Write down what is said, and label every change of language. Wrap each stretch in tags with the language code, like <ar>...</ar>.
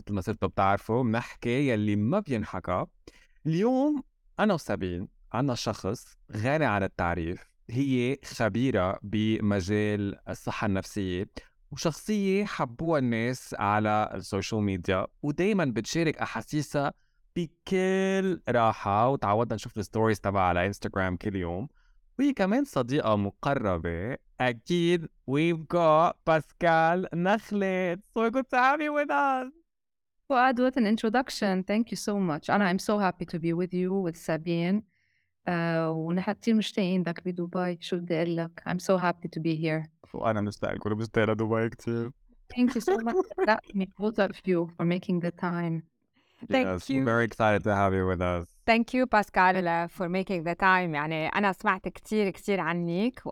<ar>مثل ما صرتوا بتعرفوا بنحكي يلي ما بينحكى. اليوم أنا وسابين عنا شخص غني عن التعريف، هي خبيرة بمجال الصحة النفسية، وشخصية حبوها الناس على السوشيال ميديا، ودايما بتشارك أحاسيسها بكل راحة، وتعودنا نشوف الستوريز تبعها على إنستغرام كل يوم، وهي كمان صديقة مقربة أكيد.</ar> <en>we've got Pascal نخلي. so good to have you with us. Fouad, with an introduction, thank you so much. And I'm so happy to be with you with Sabine.</en> <ar>ونحن كتير مشتاقين لك بدبي. شو بدي أقول لك؟</ar> <en>I'm so happy to be here.</en> <ar>وأنا مشتاق لك ومشتاق لدبي كتير.</ar> <en>Thank you so much both of you for making the time. Thank yes, you. Very excited to have you with us. Thank you, Pascale, for making the time.</en> <ar>يعني أنا سمعت كتير كتير عنك.</ar>